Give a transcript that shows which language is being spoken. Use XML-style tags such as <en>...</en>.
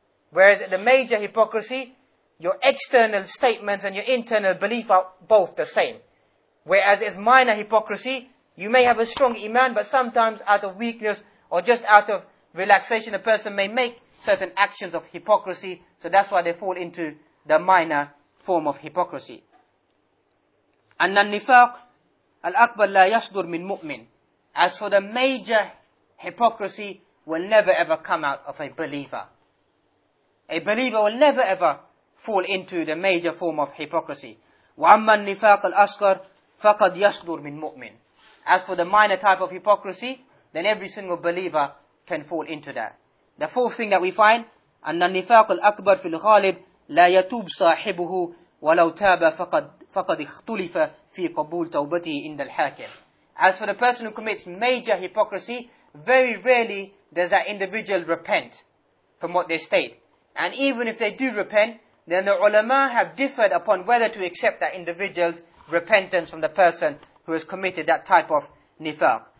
<en>Whereas the major hypocrisy, your external statements and your internal belief are both the same. Whereas it's minor hypocrisy, you may have a strong iman, but sometimes out of weakness or just out of relaxation, a person may make certain actions of hypocrisy, so that's why they fall into the minor form of hypocrisy.</en> <ar>أن النفاق الأكبر لا يصدر من مؤمن.</ar> <en>As for the major hypocrisy, will never ever come out of a believer. A believer will never ever fall into the major form of hypocrisy.</en> <ar>وأما النفاق الأصغر فقد يصدر من مؤمن.</ar> <en>As for the minor type of hypocrisy, then every single believer can fall into that. The fourth thing that we find,</en> <ar>أن النفاق الأكبر في الغالب لا يتوب صاحبه ولو تاب فقد اختلف في قبول توبته عند الحاكم.</ar> <en>As for the person who commits major hypocrisy, very rarely does that individual repent from what they state. And even if they do repent, then the ulama have differed upon whether to accept that individual's repentance from the person who has committed that type of nifaq.</en>